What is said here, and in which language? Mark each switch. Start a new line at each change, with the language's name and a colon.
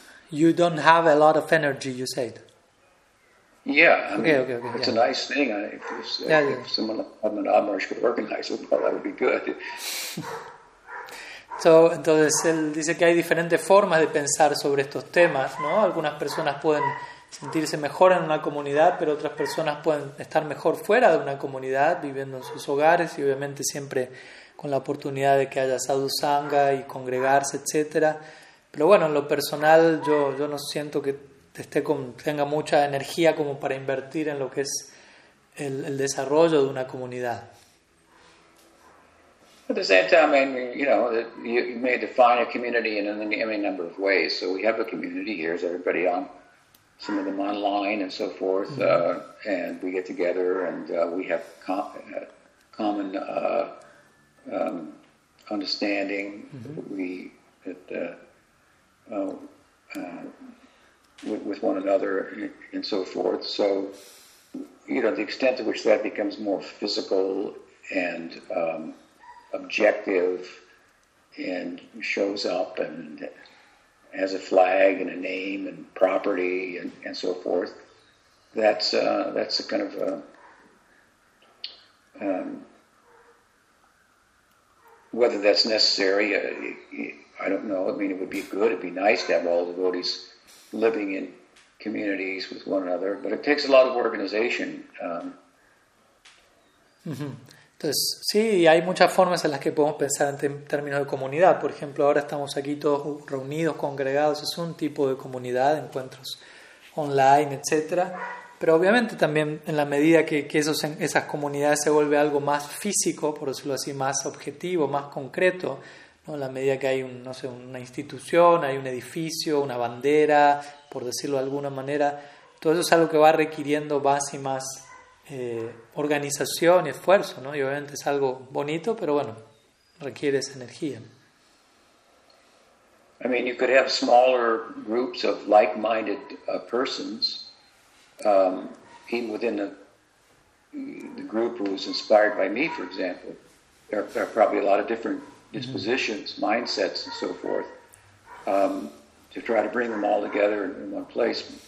English: You don't have a lot of energy, you said. Yeah, I mean, okay, it's yeah. A nice thing. If someone like Madhav Maharaj could organize it, well, that would be good.
Spanish: Entonces él dice que hay diferentes formas de pensar sobre estos temas, ¿no? Algunas personas pueden sentirse mejor en una comunidad, pero otras personas pueden estar mejor fuera de una comunidad, viviendo en sus hogares y obviamente siempre con la oportunidad de que haya sadhu sangha y congregarse, etcétera. Pero bueno, en lo personal yo no siento que tenga mucha energía como para invertir en lo que es el desarrollo de una comunidad.
English: At the same time, I mean, you know, you may define a community in any number of ways. So we have a community here. Is everybody on? Some of them online and so forth. Mm-hmm. And we get together and we have common understanding. Mm-hmm. With one another and so forth. So, you know, the extent to which that becomes more physical and objective and shows up and has a flag and a name and property and so forth, that's a kind of a whether that's necessary, I don't know. I mean, it would be good, it'd be nice to have all the devotees living in communities with one another, but it takes a lot of organization.
Spanish: Entonces, sí, hay muchas formas en las que podemos pensar en términos de comunidad. Por ejemplo, ahora estamos aquí todos reunidos, congregados. Es un tipo de comunidad, encuentros online, etc. Pero obviamente también en la medida que esas comunidades se vuelve algo más físico, por decirlo así, más objetivo, más concreto, ¿no? En la medida que hay una institución, hay un edificio, una bandera, por decirlo de alguna manera, todo eso es algo que va requiriendo más y más organización y esfuerzo, ¿no? Y obviamente es algo bonito, pero bueno, requiere esa energía.
English: I mean, you could have smaller groups of like-minded persons, even within the group who was inspired by me, for example. There are probably a lot of different dispositions, mm-hmm. mindsets, and so forth, to try to bring them all together in one place.